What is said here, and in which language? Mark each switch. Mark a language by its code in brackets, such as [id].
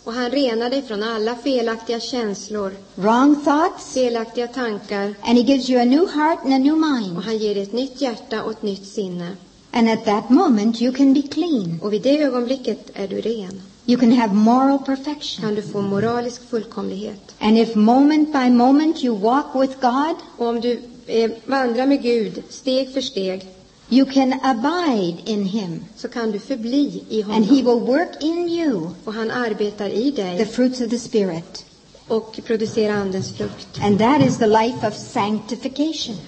[sv] Och han renar dig från alla felaktiga känslor. [en] Wrong thoughts. [sv] Felaktiga tankar. [en] And he gives you a new heart and a new mind. [sv] Och han ger dig ett nytt hjärta och ett nytt sinne. [en] And at that moment you can be clean. [sv] Och vid det ögonblicket är du ren. [en] You can have moral perfection. [sv] Kan du få moralisk fullkomlighet. [en] And if moment by moment you walk with God. [sv] Och om du vandrar med Gud steg för steg. [en] You can abide in him. [sv] Så kan du förbli i honom. [en] And he will work in you. [sv] Och han arbetar i dig. [en] The fruits of the spirit. [sv] Och producera andens frukt. [en] And that is the life of sanctification.